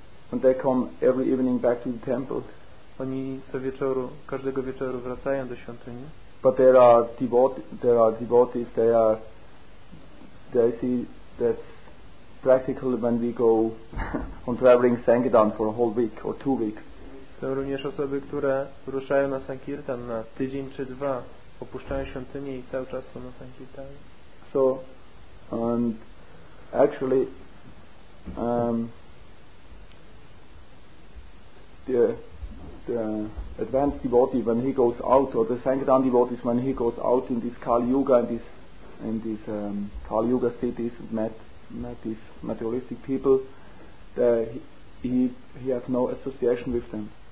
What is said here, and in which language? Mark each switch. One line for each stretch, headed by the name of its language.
English: And they come every evening back to the temple.
Polish: Oni co wieczoru, każdego wieczoru wracają do świątyni.
English: But there are devotees. They see that practically when we go on traveling sankirtan for a whole week or 2 weeks.
Polish: Są również osoby, które ruszają na sankirtan na tydzień czy dwa, opuszczają świątynię i cały czas są na sankirtanie.
English: So, and actually, the advanced devotee when he goes out, or the sankirtan devotees when he goes out in this Kali Yuga and in these Kali Yuga cities and met these materialistic people, he has no association with them.